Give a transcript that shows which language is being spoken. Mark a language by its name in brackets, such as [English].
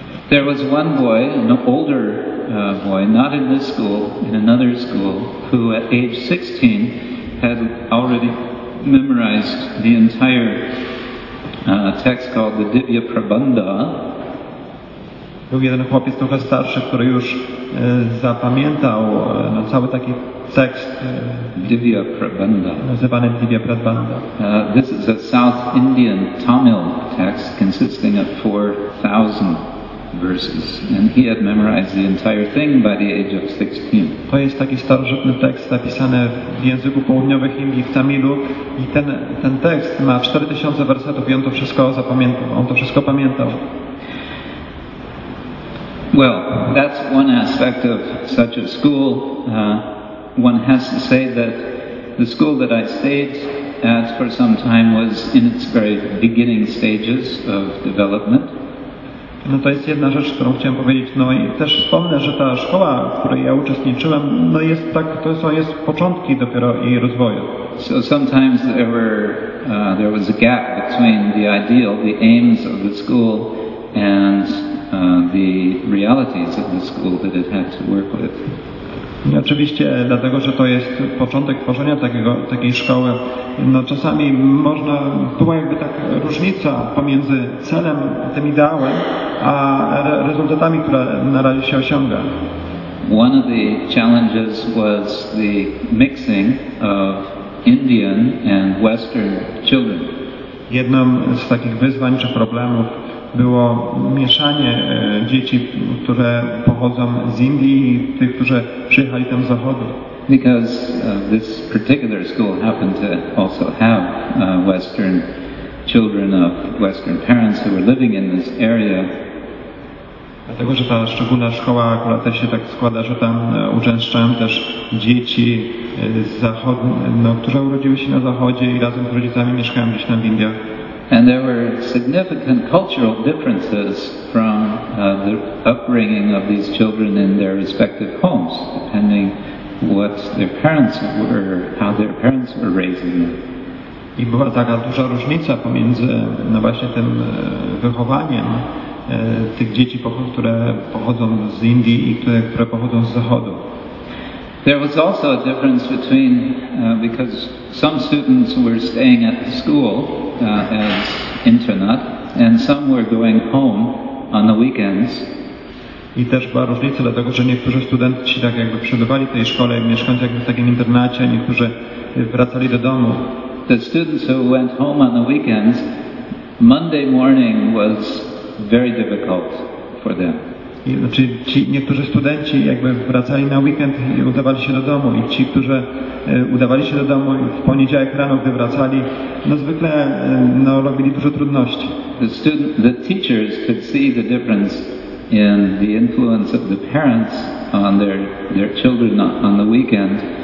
[English] There was one boy, an older boy, not in this school, in another school, who at age 16 had already memorized the entire text called the Divya Prabandha. [Polish] Był jeden chłopiec trochę starszy, który już zapamiętał cały taki tekst Divya Prabandha. Nazywany Divya Prabandha. [English] This is a South Indian Tamil text consisting of 4,000 verses. And he had memorized the entire thing by the age of 16. [Polish] To jest taki starożytny tekst napisany w języku południowych Indii, w Tamilu. I ten tekst ma 4,000 wersetów i on to wszystko zapamiętał. On to wszystko pamiętał. [English] Well, that's one aspect of such a school. One has to say that the school that I stayed at for some time was in its very beginning stages of development. [Polish] No to jest jedna rzecz, którą chciałem powiedzieć. No i też wspomnę, że ta szkoła, w której ja uczestniczyłem, no jest tak, to są jest początki dopiero jej rozwoju. [English] So sometimes there was a gap between the ideal, the aims of the school and the realities of the school that it had to work with. [Polish] I oczywiście dlatego, że to jest początek tworzenia takiej szkoły, no czasami można, była jakby tak różnica pomiędzy celem, tym ideałem, a rezultatami, które na razie się osiąga. [English] One of the challenges was the mixing of Indian and Western children. [Polish] Jedną z takich wyzwań czy problemów było mieszanie dzieci, które pochodzą z Indii i tych, którzy przyjechali tam z Zachodu. [English] Because this particular school happened to also have Western children of Western parents who were living in this area. [Polish] Dlatego, że ta szczególna szkoła akurat też się tak składa, że tam uczęszczają też dzieci z Zachodu, no, które urodziły się na Zachodzie i razem z rodzicami mieszkają gdzieś tam w Indiach. [English] And there were significant cultural differences from the upbringing of these children in their respective homes, depending what their parents were, how their parents were raising them. [Polish] I była taka duża różnica pomiędzy no właśnie tym wychowaniem tych dzieci, które pochodzą z Indii i które pochodzą z Zachodu. [English] There was also a difference between, because some students were staying at the school as internat, and some were going home on the weekends. [Polish] I też była różnica, dlatego że niektórzy studenci tak jakby przebywali w tej szkole, mieszkając jakby w takim internacie, a niektórzy wracali do domu. [English] The students who went home on the weekends, Monday morning was very difficult for them. [Polish] Znaczy, ci niektórzy studenci jakby wracali na weekend i udawali się do domu i ci, którzy udawali się do domu w poniedziałek rano, gdy wracali, no zwykle no, robili dużo trudności. [English] The teachers could see the difference in the influence of the parents on their children on the weekend.